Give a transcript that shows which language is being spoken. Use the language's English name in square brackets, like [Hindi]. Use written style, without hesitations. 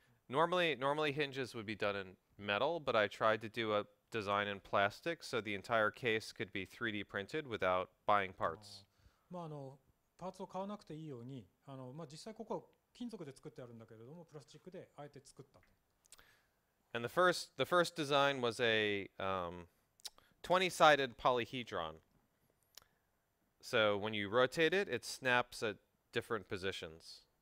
[English] Normally hinges would be done in metal, but I tried to do a design in plastic so the entire case could be 3D printed without buying parts. [Japanese] まあ、あの、パーツを買わなくていいように、あの、まあ、実際ここは金属で作ってあるんだけれども、プラスチックであえて作ったと。 [English] And the first design was a 20-sided polyhedron. So when you rotate it, it snaps at different positions.